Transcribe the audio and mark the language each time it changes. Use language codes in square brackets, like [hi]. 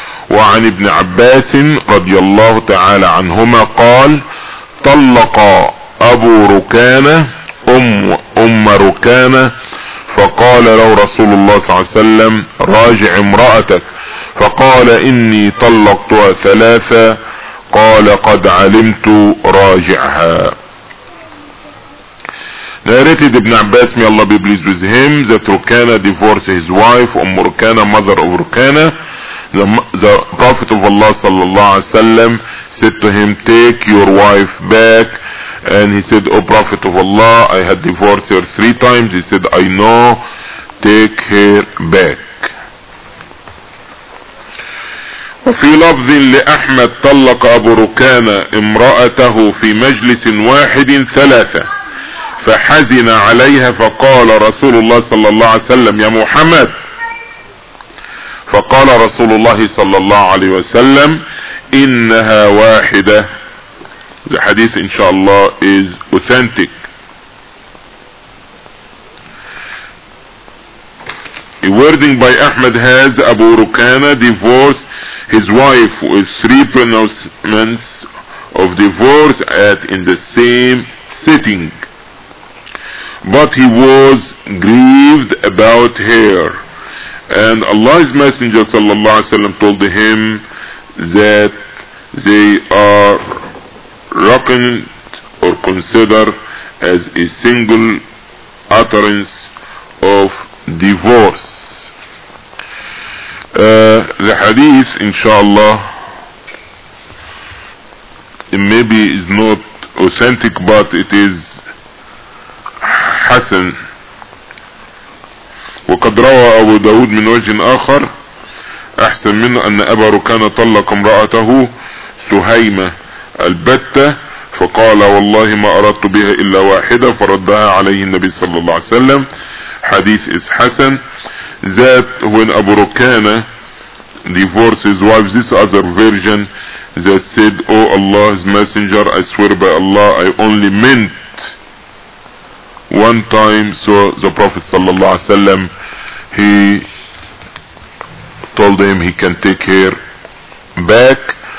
[ar] وعن ابن عباس رضي الله تعالى عنهما قال طلق أبو ركانة أم ركانة فقال له رسول الله صلى الله عليه وسلم راجع امرأتك فقال إني طلقتها 3 قال قد علمت راجعها. [en] Narrated Ibn Abbas, may Allah be pleased with him, that Rukana divorced his wife, Umm Rukana, mother of Rukana, the Prophet of Allah sallallahu alaihi wasallam said to him, take your wife back. And he said, O Prophet of Allah, I had divorced her 3 times. He said, I know, take her back. [ar] وفي لفظ لأحمد طلق أبو ركان امرأته في مجلس واحد 3 فحزن عليها فقال رسول الله صلى الله عليه وسلم يا محمد فقال رسول الله صلى الله عليه وسلم إنها واحدة. [en] The hadith inshallah is authentic. A wording by Ahmed has Abu Rukana divorced his wife with 3 pronouncements of divorce at in the same sitting. But he was grieved about her. And Allah's Messenger sallallahu alaihi wasallam told him that they are reckoned or considered as a single utterance of divorce. The hadith inshallah it maybe is not authentic, but it is حسن. [ar] وقد روى أبو داود من وجه آخر أحسن منه أن أبا ركان طلق امرأته سهيمة البتة فقال والله ما أردت بها إلا واحدة فردها عليه النبي صلى الله عليه وسلم. [en] حديث is حسن. That when أبو ركان divorced his wife, this other version that said, O Allah's messenger, I swear by Allah, I only meant one time. So the Prophet sallallahu alaihi wasallam, he told him he can take her back.